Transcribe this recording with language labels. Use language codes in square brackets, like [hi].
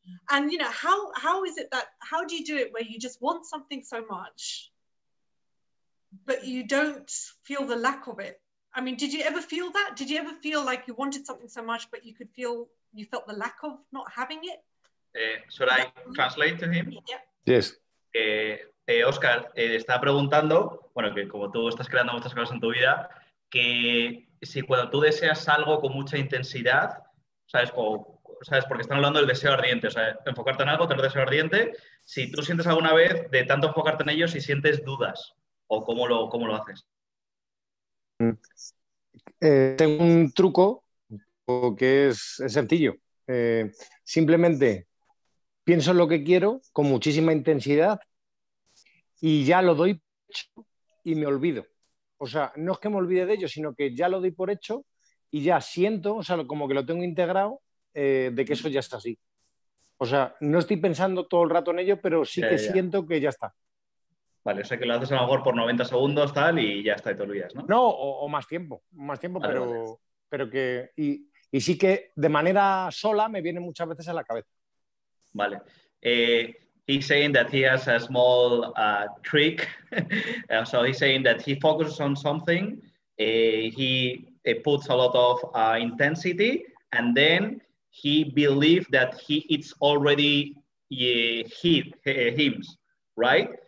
[en] And, you know, how is it that, how do you do it where you just want something so much, but you don't feel the lack of it? I mean, did you ever feel that? Did you ever feel like you wanted something so much, but you felt the lack of not having it? Should I translate to him? Yeah. Yes. [es] Oscar está preguntando, bueno, que como tú estás creando muchas cosas en tu vida, que si cuando tú deseas algo con mucha intensidad, ¿sabes? Porque están hablando del deseo ardiente, o sea, enfocarte en algo, tener deseo ardiente, si tú sientes alguna vez de tanto enfocarte en ello, si sientes dudas, o cómo lo haces. Tengo un truco que es sencillo. Simplemente pienso en lo que quiero con muchísima intensidad y ya lo doy por hecho y me olvido. O sea, no es que me olvide de ello, sino que ya lo doy por hecho y ya siento, o sea, como que lo tengo integrado, de que eso ya está así. O sea, no estoy pensando todo el rato en ello, pero sí que siento que ya está. Vale, o sea que lo haces a lo mejor por 90 segundos, tal, y ya está, y te olvidas, ¿no? No, o más tiempo, vale, pero que... Y sí que de manera sola me viene muchas veces a la cabeza. Vale. [en] He's saying that he has a small trick. So he's saying that he focuses on something, he puts a lot of intensity, and then he believes that he it's already him, right?